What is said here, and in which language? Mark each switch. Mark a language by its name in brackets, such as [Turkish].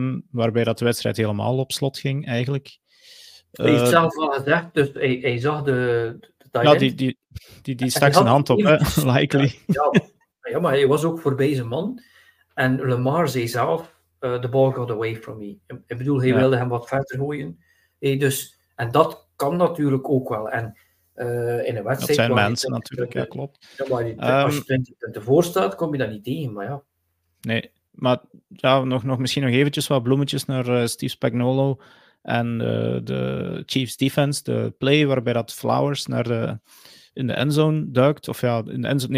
[Dutch] Waarbij dat de wedstrijd helemaal op slot ging, eigenlijk. Hij heeft zelf al gezegd, dus hij zag de tie-in. Ja, die stak zijn hand op, likely. Ja, maar hij was ook voorbij zijn man. En Lamar zei zelf, [English] the ball got away from me. [Dutch] Ik bedoel, hij wilde hem wat verder gooien. En dat kan natuurlijk ook wel. En in een wedstrijd... Dat zijn mensen natuurlijk, ja, klopt. Ja, maar als je 20 punten voor staat, kom je dat niet tegen, maar ja. Nee, maar ja, misschien nog eventjes wat bloemetjes naar Steve Spagnuolo en de Chiefs defense, de play waarbij dat Flowers naar in de endzone duikt. Of ja, in de endzone...